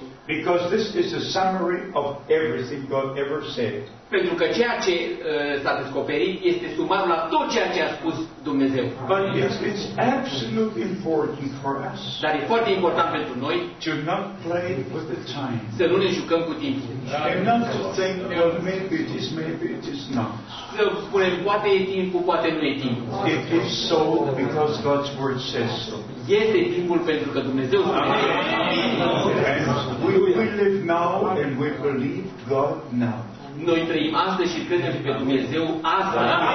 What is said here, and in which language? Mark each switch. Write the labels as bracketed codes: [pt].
[en] Because this is a summary of everything God ever said. [ro] Pentru că ceea ce s-a descoperit este sumarul la tot ceea ce a spus Dumnezeu. [en] But yes, it's absolutely important for us. [ro] Dar e foarte important pentru noi. [en] To not play with the time. [ro] Să nu ne jucăm cu timpul. [en] And not to think, well, maybe it is not. [ro] Să spunem, poate e timpul, poate nu e timpul. [en] It is so because God's word says so. [ro] Este timpul pentru că Dumnezeu spune. [en] And we live now and we believe God now. [ro] Noi trăim astăzi și credem pe Dumnezeu astăzi.